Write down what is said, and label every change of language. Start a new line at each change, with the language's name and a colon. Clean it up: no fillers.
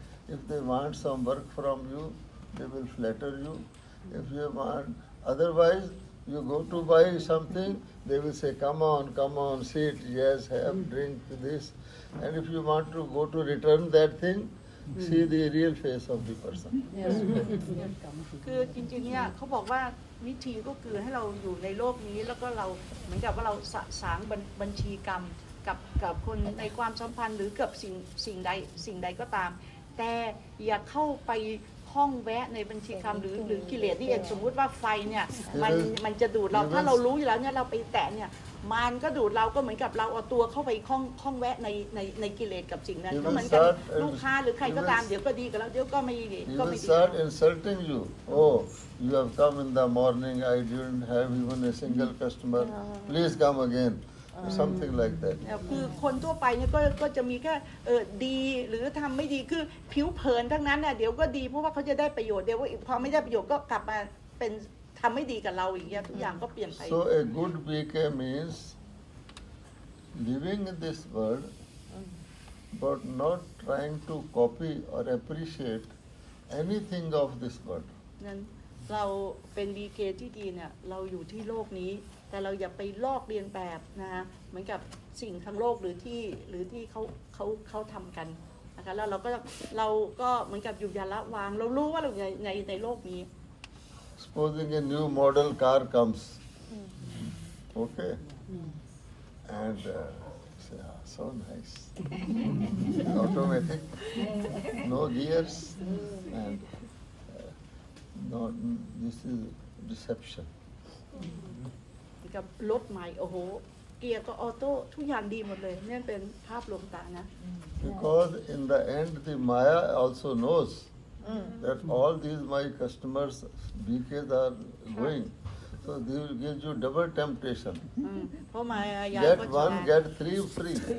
English: If they want some work from you, they will flatter you. If you want otherwise, you go to buy something, they will say, come on, sit, yes, have, drink this. And if you want to go to return that thing,See the real face of the person.
Thai: คือจริงๆเนี่ยเขาบอกว่าวิธีก็คือให้เราอยู่ในโลกนี้แล้วก็เราเหมือนกับว่าเราสางบัญชีกรรมกับคนในความสัมพันธ์หรือกับสิ่งใดก็ตามแต่อย่าเข้าไปห้องแวะในบัญชีกรรมหรือกิเลสที่เองสมมติว่าไฟเนี่ยมันจะดูดเราถ้าเรารู้อยู่แล้วเนี่ยเราไปแตะเนี่ยมันก็ดูดเราก็เหมือนกับเราเอาตัวเข้าไปข้องแวะในกิเลสกับสิ่งนั้นก็เหมือนกันลูกค้าหรือใครก็ตามเดี๋ยวก็ดีกับเราเดี๋ยวก็ไม่ดี
English: start insulting you oh you have come in the morning I didn't have even a single customer please come again something like that
Thai: คือคนทั่วไปเนี่ยก็จะมีแค่ดีหรือทำไม่ดีคือผิวเผินทั้งนั้นน่ะเดี๋ยวก็ดีเพราะว่าเขาจะได้ประโยชน์เดี๋ยวพอไม่ได้ประโยชน์ก็กลับมาเป็นทำไม่ดีกับเราอีกอย่างทุกอย่างก็เปลี่ยนไป
English: so a good baker means living in this world but not trying to copy or appreciate anything of this world
Thai: นั้นเราเป็นบีเกอร์ที่ดีเนี่ยเราอยู่ที่โลกนี้แต่เราอย่าไปลอกเรียนแบบนะฮะเหมือนกับสิ่งทั้งโลกหรือที่เขาทำกันนะคะแล้วเราก็เหมือนกับอยู่อย่าละวางเรารู้ว่าเราในโลกนี้
English: Supposing a new model car comes okay and so nice automatic no gears and no this is deception
Thai: กับรถใหม่โอ้โหเกียร์ก็ออโต้ทุกอย่างดีหมดเลยนี่เป็นภาพลวงตานะ
English: Because in the end the Maya also knows that all these my customers BKs are going so they will give you double temptation
Thai: เพราะ Maya
English: get one get three free